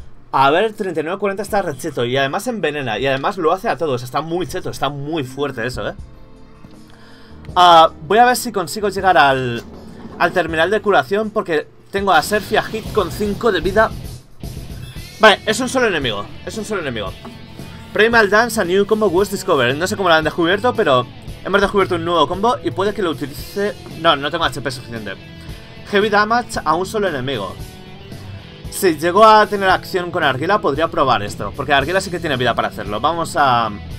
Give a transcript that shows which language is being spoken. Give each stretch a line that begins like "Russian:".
Spanish: A ver, 39-40 está recheto. Y además envenena. Y además lo hace a todos. Está muy cheto. Está muy fuerte eso, ¿eh? Voy a ver si consigo llegar al terminal de curación. Porque tengo a Surf y a Hit con 5 de vida. Vale, es un solo enemigo. Es un solo enemigo.
English: Primal Dance, a new combo was discovered.
Spanish: No sé cómo lo han descubierto, pero hemos descubierto un nuevo combo y puede que lo utilice. No, no tengo HP suficiente.
English: Heavy damage
Spanish: a un solo enemigo. Si llego a tener acción con Argila, podría probar esto. Porque Argila sí que tiene vida para hacerlo. Vamos a.